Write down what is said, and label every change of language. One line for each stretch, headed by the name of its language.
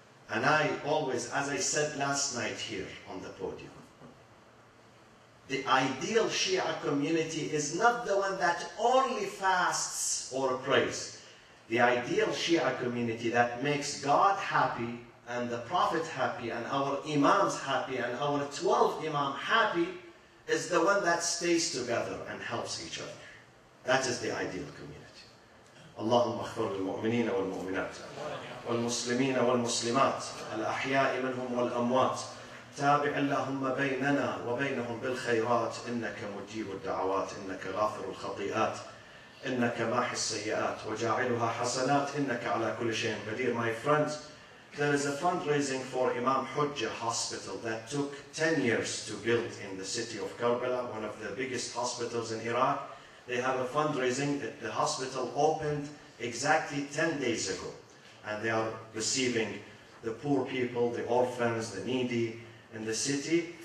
English: And I always, as I said last night here on the podium, the ideal Shia community is not the one that only fasts or prays. The ideal Shia community that makes God happy and the Prophet happy and our Imams happy and our 12 Imam happy is the one that stays together and helps each other. That is the ideal community.
Arabic: اللهم اغفر للمؤمنين والمؤمنات والمسلمين والمسلمات الأحياء منهم والأموات تابع اللهم بيننا وبينهم بالخيرات إنك مجيب الدعوات إنك غافر الخطيئات إنك ماحي السيئات وجاعلها حسنات إنك على كل شيء قدير.
English: My friends, there is a fundraising for Imam Hujja Hospital that took 10 years to build in the city of Karbala, one of the biggest hospitals in Iraq. They have a fundraising. The hospital opened exactly 10 days ago. And they are receiving the poor people, the orphans, the needy in the city.